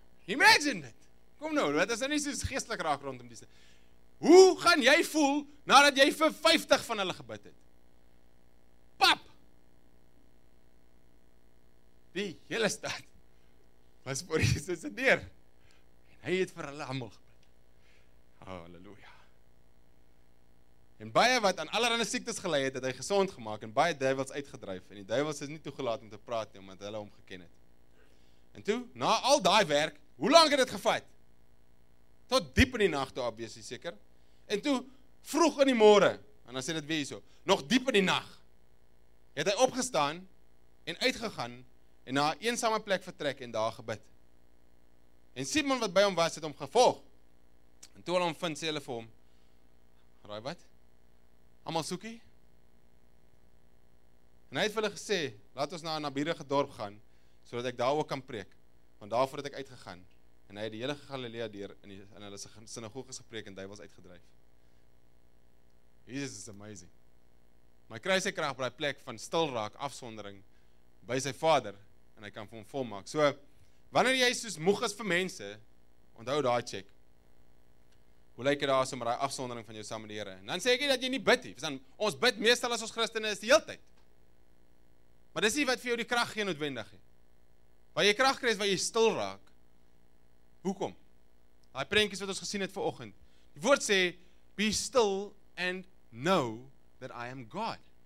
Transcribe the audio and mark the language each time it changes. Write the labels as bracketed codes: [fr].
[af] Imagine dit. Kom nou, wat is dit nie soos geestelik raak rondom die stad? Hoe gaan jy voel, nadat jy vir 50 van hulle gebid het? Pap! Die hele stad was voor Jesus' deur. Hy het vir hulle allemaal gebid. Halleluja. En baie wat aan allerhande siektes gelei het, het hy gesond gemaakt en baie duivels uitgedryf. En die duivels is nie toegelaat om te praat nie, omdat hulle hom geken het. En toe, na al die werk, hoe lang het dit gevat? Tot diep in die nacht toe, obviously, seker. En toe, vroeg in die morgen, en dan sê dit weer so, nog diep in die nacht, het hy opgestaan en uitgegaan en na 'n eensame plek vertrek en daar gebid. En Simon wat by hom was, het hom gevolg. En toe hulle hom vind, sê hulle vir hom, raai wat? Almal soekie? En hy het vir hulle gesê, laat ons na 'n naburige dorp gaan, sodat ek daar ook kan preek. Want daarvoor het ek uitgegaan. En hy het die hele Galilea deur in hulle sinagoges gepreek en duivels uitgedryf. Jesus is amazing. My kry sy krag by die plek van stilraak, afsondering, by sy vader, en hy kan vir hom volmaak. So, wanneer jy soos moeg is vir mense, onthou daai check. Hoe lyk jy daar so met daai afsondering van jou saam met die Here? En dan sê ek nie dat jy nie bid nie. Ons bid meestal as ons Christene is die hele tyd. Maar dis nie wat vir jou die krag gee noodwendig nie. Waar jy krag kry is waar jy stil raak. Hoekom? Daai prentjies wat ons gesien het vanoggend. Die woord sê, [en] be still and know that I am God.